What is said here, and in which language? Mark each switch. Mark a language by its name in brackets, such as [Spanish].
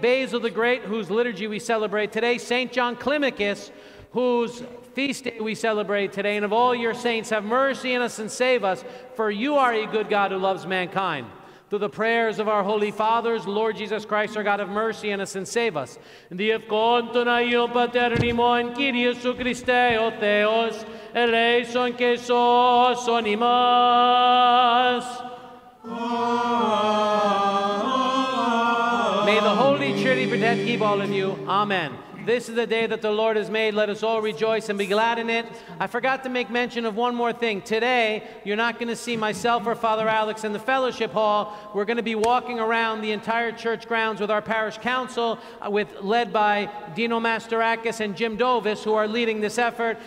[English] Basil the Great, whose liturgy we celebrate today, St. John Climacus, whose feast day we celebrate today, and of all your saints, have mercy on us and save us, for you are a good God who loves mankind. Through the prayers of our holy fathers, Lord Jesus Christ, our God, have mercy on us and save us. [Greek] The ευκόντων Αγίων Πατέρων ημών, Κύριε Ιησού Χριστέ, ο Θεός, ελέησον και σώσον ημάς. [English] May the Holy Trinity protect and keep all of you. Amen. This is the day that the Lord has made. Let us all rejoice and be glad in it. I forgot to make mention of one more thing. Today, you're not going to see myself or Father Alex in the fellowship hall. We're going to be walking around the entire church grounds with our parish council, led by Dino Mastarakis and Jim Dovis, who are leading this effort.